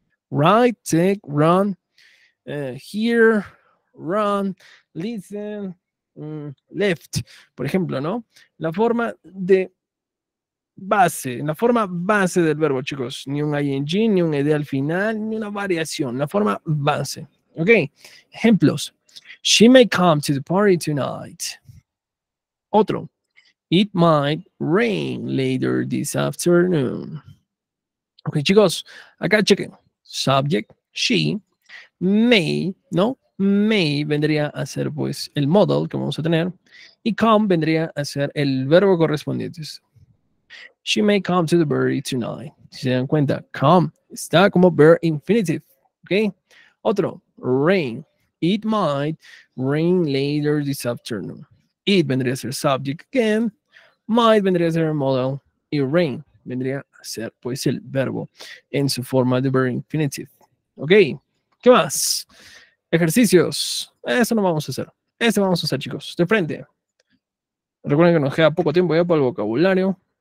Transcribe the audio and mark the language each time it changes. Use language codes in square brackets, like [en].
[en] Write, take, run, hear, run, listen, left, [es] por ejemplo, ¿no? La forma de base, la forma base del verbo, chicos. Ni un ing, ni un ed al final, ni una variación. La forma base. Ok, ejemplos. [en] She may come to the party tonight. [es] Otro. [en] It might rain later this afternoon. [es] Ok, chicos, acá chequen. Subject, she, may, ¿no? May vendría a ser, pues, el modal que vamos a tener. Y come vendría a ser el verbo correspondiente. [en] She may come to the party tonight. [es] Si se dan cuenta, come está como verb infinitive. [en] ¿Ok? Okay. [es] Otro, rain. [en] It might rain later this afternoon. [es] It vendría a ser subject again. Might vendría a ser modal. Y rain vendría a ser, pues, el verbo en su forma de verb infinitive. Okay. ¿Qué más? Ejercicios. Eso no vamos a hacer. Este vamos a hacer, chicos. De frente. Recuerden que nos queda poco tiempo ya para el vocabulario.